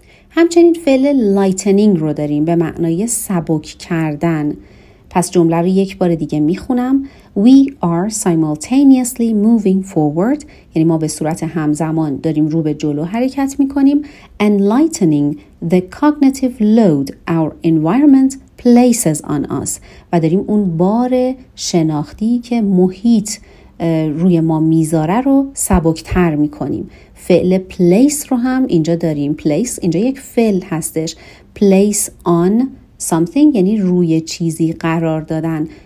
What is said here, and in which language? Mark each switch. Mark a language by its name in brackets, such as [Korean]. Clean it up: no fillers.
[Persian] همچنین فعل lightening رو داریم به معنای سبک کردن. پس جمله رو یک بار دیگه میخونم. [English] We are simultaneously moving forward. [Persian] یعنی ما به صورت همزمان داریم رو به جلو حرکت میکنیم. [English] And lightening the cognitive load our environment places on us. [Persian] و داریم اون بار شناختی که محیط روی ما میذاره رو سبکتر میکنیم. فعل place رو هم اینجا داریم. Place اینجا یک فعل هستش. [English] Place on something [Persian] یعنی روی چیزی قرار دادن.